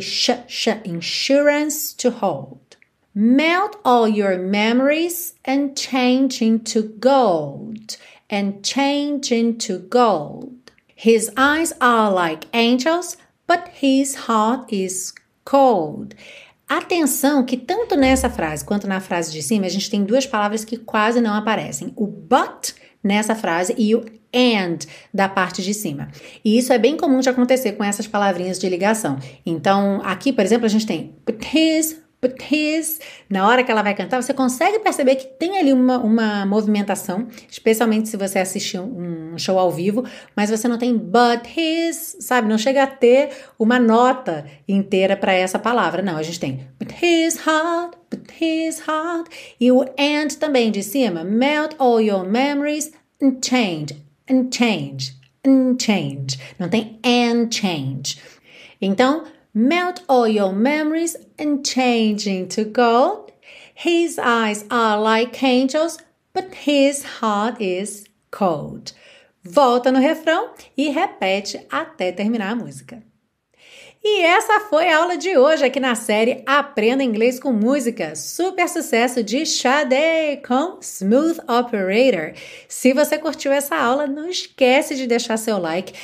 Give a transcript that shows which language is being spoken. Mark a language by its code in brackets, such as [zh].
[en] Sh, sh, insurance to hold. Melt all your memories and change into gold. And change into gold. His eyes are like angels, but his heart is cold. [pt] Atenção que tanto nessa frase quanto na frase de cima, a gente tem duas palavras que quase não aparecem. O but nessa frase e o and da parte de cima. E isso é bem comum de acontecer com essas palavrinhas de ligação. Então, aqui, por exemplo, a gente tem [en] but his Please. [pt] Na hora que ela vai cantar, você consegue perceber que tem ali uma movimentação, especialmente se você assistir um show ao vivo, mas você não tem but his, sabe? Não chega a ter uma nota inteira para essa palavra. Não, a gente tem [en] but his heart, but his heart. [pt] E o and também de cima. [en] Melt all your memories and change, and change, and change. [pt] Não tem [en] and change. Então, melt all your memories and change into gold. His eyes are like angels, but his heart is cold. [pt] Volta no refrão e repete até terminar a música. E essa foi a aula de hoje aqui na série Aprenda Inglês com Música, super sucesso de Sade com Smooth Operator. Se você curtiu essa aula, não esquece de deixar seu like.